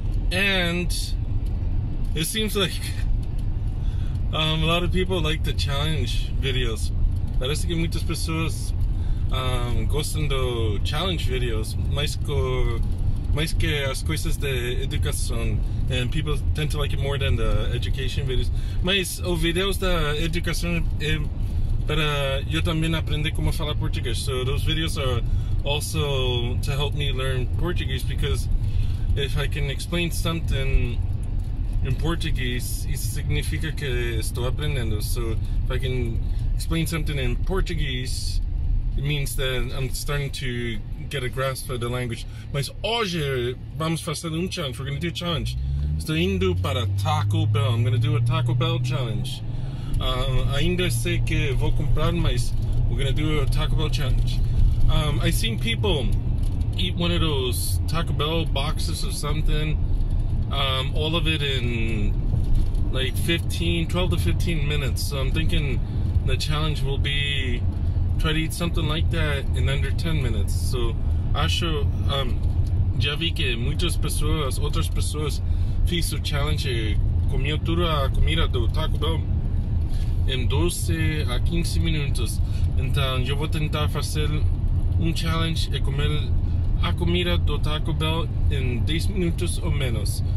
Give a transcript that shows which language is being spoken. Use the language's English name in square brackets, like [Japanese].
[English] And it seems like a lot of people like the challenge videos. [Portuguese] Parece que muitas pessoas gostam do challenge videos mais que as coisas de educação. [English] And people tend to like it more than the education videos. [Portuguese] Mas os videos da educação é para eu também aprender como falar português. [English] So those videos are also to help me learn Portuguese, because if I can explain something in Portuguese, [Portuguese] isso significa que estou aprendendo. [English] So if I can explain something in Portuguese, it means that I'm starting to get a grasp of the language. [Portuguese] Mas hoje vamos fazer challenge. [English] We're going to do a challenge. [Portuguese] Estou indo para Taco Bell. [English] I'm going to do a Taco Bell challenge. [Portuguese] Ainda sei que vou comprar, mas [English] we're going to do a Taco Bell challenge. I've seen people eat one of those Taco Bell boxes or something. All of it in like 12 to 15 minutes. So I'm thinking the challenge will be try to eat something like that in under 10 minutes. [Portuguese] So acho, já vi que muitas pessoas, outras pessoas, fiz o challenge e comiam toda a comida do Taco Bell em 12 a 15 minutos. Então eu vou tentar fazer challenge e comer a comida do Taco Bell em 10 minutos ou menos.